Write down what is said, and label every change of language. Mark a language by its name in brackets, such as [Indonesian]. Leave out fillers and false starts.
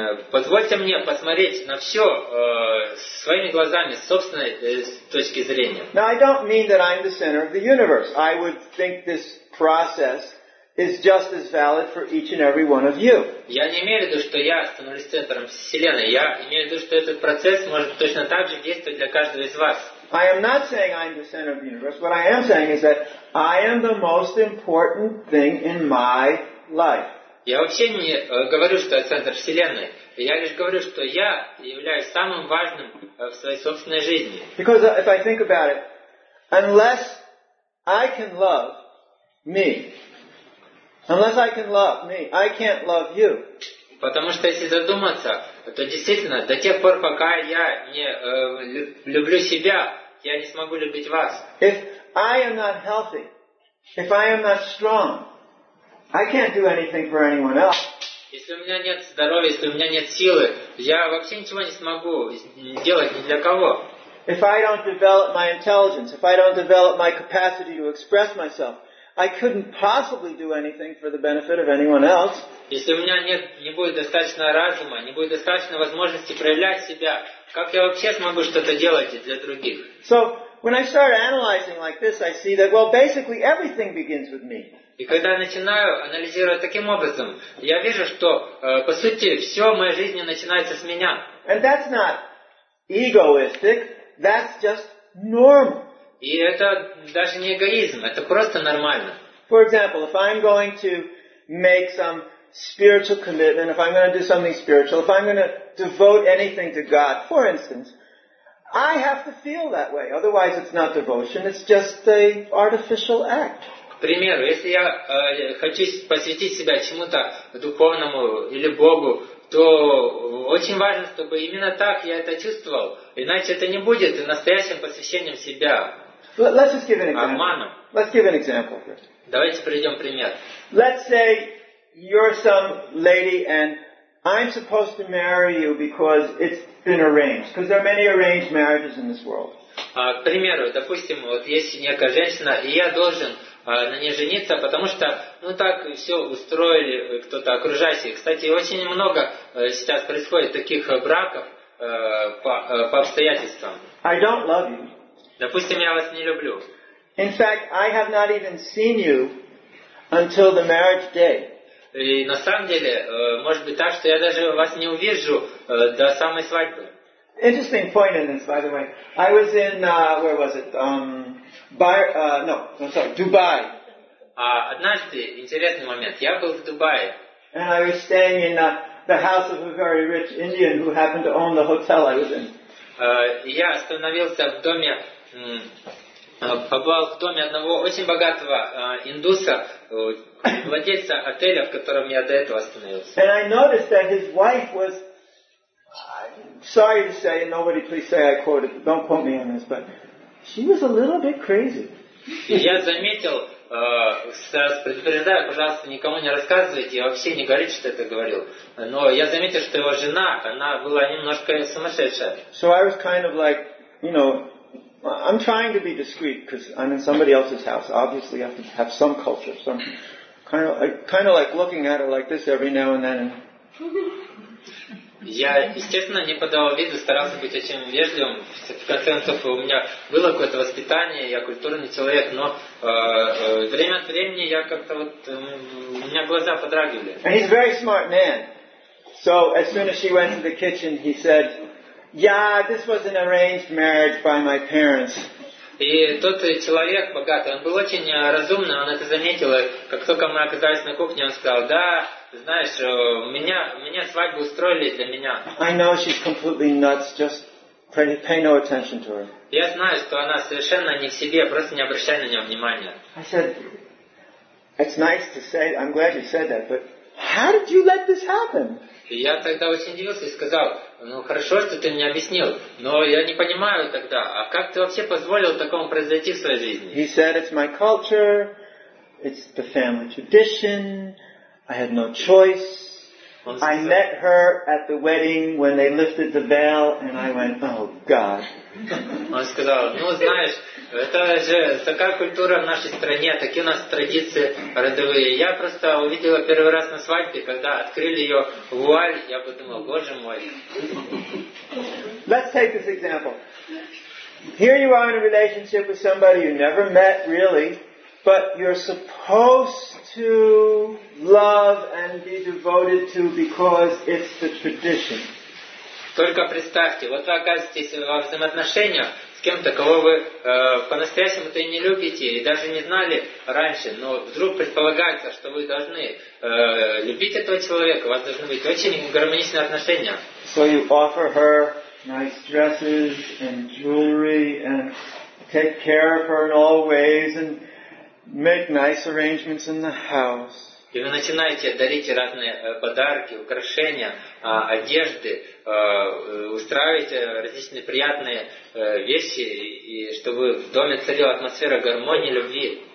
[Russian] Позвольте мне посмотреть на все своими глазами, с собственной точки зрения. [English] Now, I don't mean that I'm the center of the universe. I would think this process is just as valid for each and every one of you. [Russian] Я не имею в виду, что я становлюсь центром Вселенной. Я имею в виду, что этот процесс может точно так же действовать для каждого из вас. [English] I am not saying I'm the center of the universe. What I am saying is that I am the most important thing in my life. [Russian] Я вообще не говорю, что я центр Вселенной. Я лишь говорю, что я являюсь самым важным в своей собственной жизни. [English] Because if I think about it, unless I can love me, unless I can love me, I can't love you. [Russian] Потому что если задуматься, то действительно, до тех пор, пока я не люблю себя, я не смогу любить вас. [English] If I am not healthy, if I am not strong, I can't do anything for anyone else. [Russian] Если у меня нет здоровья, если у меня нет силы, я вообще ничего не смогу делать ни для кого. [English] If I don't develop my intelligence, if I don't develop my capacity to express myself, I couldn't possibly do anything for the benefit of anyone else. [Russian] Если у меня нет, не будет достаточно разума, не будет достаточно возможности проявлять себя, как я вообще смогу что-то делать для других? [English] So, when I start analyzing like this, I see that, well, basically everything begins with me. [Russian] И когда я начинаю анализировать таким образом, я вижу, что, по сути, все в моей жизни начинается с меня. [English] And that's not egoistic, that's just normal. [Russian] И это даже не эгоизм, это просто нормально. [English] For example, if I'm going to make some spiritual commitment, if I'm going to do something spiritual, if I'm going to devote anything to God, for instance, I have to feel that way. Otherwise, it's not devotion, it's just an artificial act. [Russian] К примеру, если я хочу посвятить себя чему-то духовному или Богу, то очень важно, чтобы именно так я это чувствовал. Иначе это не будет настоящим посвящением себя. [English] Let's just give an example. [Russian] Обманом. [English] Let's give an example. [Russian] Давайте приведем пример. [English] Let's say you're some lady and I'm supposed to marry you because it's been arranged. Because there are many arranged marriages in this world. [Russian] К примеру, допустим, вот есть некая женщина, и я должен на ней жениться, потому что, ну так, все устроили кто-то окружающий. Кстати, очень много сейчас происходит таких браков по обстоятельствам. [English] I don't love you. [Russian] Допустим, я вас не люблю. [English] In fact, I have not even seen you until the marriage day. [Russian] И на самом деле, может быть так, что я даже вас не увижу до самой свадьбы. [English] Interesting point in this, by the way. I was in, where was it? Dubai. [Russian] Однажды, интересный момент, я был в Дубае. [English] And I was staying in the house of a very rich Indian who happened to own the hotel I was in. [Russian] Я остановился в доме, побывал в доме одного очень богатого индуса, владельца отеля, в котором я до этого остановился. [English] And I noticed that his wife was sorry to say, and nobody please say I quoted, don't quote me on this, but she was a little bit crazy. [Russian] Я заметил, сейчас предупреждаю, пожалуйста, никому не рассказывайте, я вообще не говорю, что это говорил. Но я заметил, что его жена, она была немножко сумасшедшая. [English] So I was kind of like, you know, I'm trying to be discreet, because I'm in somebody else's house. Obviously, I have to have some culture, some kind of like looking at her like this every now and then. [Russian] Я, естественно, не подавал виду, старался быть очень вежливым. В конце концов, у меня было какое-то воспитание, я культурный человек, но время от времени я как-то вот, у меня глаза подрагивали. [English] And he's a very smart man. So, as soon as she went to the kitchen, he said, yeah, this was an arranged marriage by my parents. [Russian] И тот человек богатый, он был очень разумный, он это заметил, и как только мы оказались на кухне, он сказал, да, знаешь, у меня свадьбу устроили для меня. [English] I know she's completely nuts, just pay no attention to her. [Russian] Я знаю, что она совершенно не в себе, просто не обращай на нее внимания. [English] I said, it's nice to say, I'm glad you said that, but how did you let this happen? [Russian] И я тогда очень удивился и сказал, ну хорошо, что ты мне объяснил, но я не понимаю тогда, а как ты вообще позволил такому произойти в своей жизни? [English] He said, it's my culture, it's the family tradition, I had no choice. I met her at the wedding when they lifted the veil and I went, oh God. [Russian] Он сказал, ну знаешь, это же такая культура в нашей стране, такие у нас традиции родовые. Я просто увидела первый раз на свадьбе, когда открыли ее вуаль, я подумал, боже мой. [English] Let's take this example. Here you are in a relationship with somebody you never met really, but you're supposed to love and be devoted to because it's the tradition. [Russian] Только представьте, вот вы оказываетесь во взаимоотношениях с кем-то, кого вы по-настоящему-то и не любите, и даже не знали раньше, но вдруг предполагается, что вы должны любить этого человека, у вас должны быть очень гармоничные отношения. [English] So you offer her nice dresses and jewelry and take care of her in all ways and make nice arrangements in the house. [Russian] И вы начинаете дарить разные подарки, украшения, одежды, устраивать различные приятные вещи, и чтобы в доме царила атмосфера гармонии, любви.